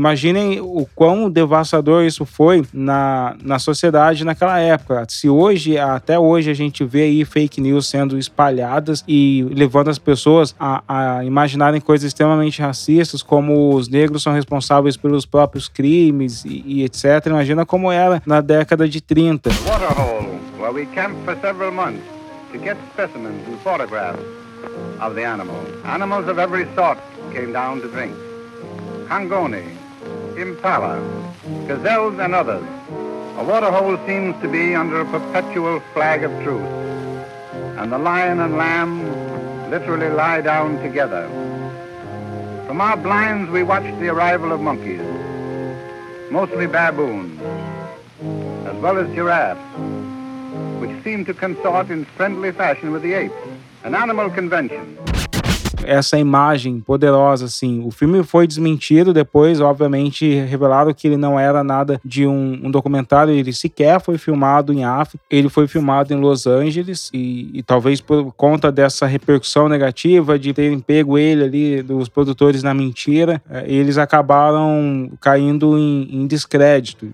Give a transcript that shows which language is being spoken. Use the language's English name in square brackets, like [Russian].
[Portuguese] Imaginem o quão devastador isso foi na sociedade naquela época. Se hoje, até hoje, a gente vê aí fake news sendo espalhadas e levando as pessoas a imaginarem coisas extremamente racistas, como os negros são responsáveis pelos próprios crimes e etc. Imagina como era na década de 30. [English] Waterhole, where we camped for several months to get specimens and photographs of the animals. Animals of every sort came down to drink. Hangoni, impala, gazelles and others. A waterhole seems to be under a perpetual flag of truce. And the lion and lamb literally lie down together. From our blinds we watched the arrival of monkeys. Mostly baboons, as well as giraffes, which seem to consort in friendly fashion with the apes, an animal convention. [Portuguese] Essa imagem poderosa, assim, o filme foi desmentido depois, obviamente revelaram que ele não era nada de um documentário, ele sequer foi filmado em África, ele foi filmado em Los Angeles e talvez por conta dessa repercussão negativa de terem pego ele ali, dos produtores na mentira, eles acabaram caindo em descrédito.